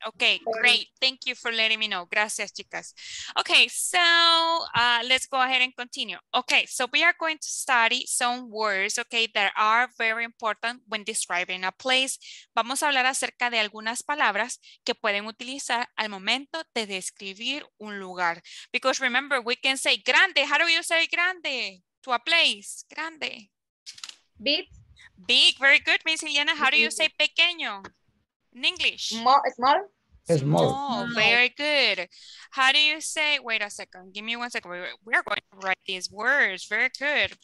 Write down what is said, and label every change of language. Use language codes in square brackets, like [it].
[en] Ok, great, thank you for letting me know. Gracias, chicas. Ok, so let's go ahead and continue. Ok, so we are going to study some words, ok, that are very important when describing a place. [es] Vamos a hablar acerca de algunas palabras que pueden utilizar al momento de describir un lugar. [en] Because remember, we can say grande. How do you say grande to a place? [es] Grande. [en] Big. Big, very good, Miss Liliana. How do you say pequeño in English? Small. Small. Very good. How do you say, wait a second, give me one second. We are going to write these words. Very good.